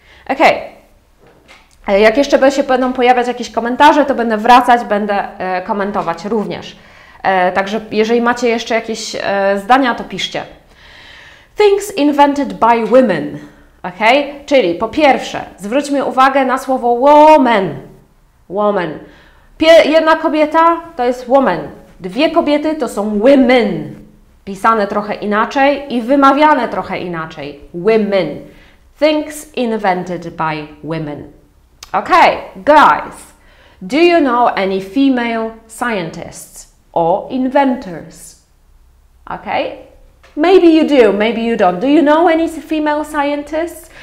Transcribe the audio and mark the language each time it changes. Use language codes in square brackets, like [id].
[pl] Ok, jak jeszcze będą pojawiać jakieś komentarze, to będę wracać, będę komentować również. Także jeżeli macie jeszcze jakieś zdania, to piszcie. [en] Things invented by women. [pl] Ok, czyli po pierwsze, zwróćmy uwagę na słowo woman. Woman. Jedna kobieta to jest woman. Dwie kobiety to są women. pisane trochę inaczej i wymawiane trochę inaczej. [en] Women. Things invented by women. Okay, guys. Do you know any female scientists or inventors? Okay. Maybe you do, maybe you don't. Do you know any female scientists?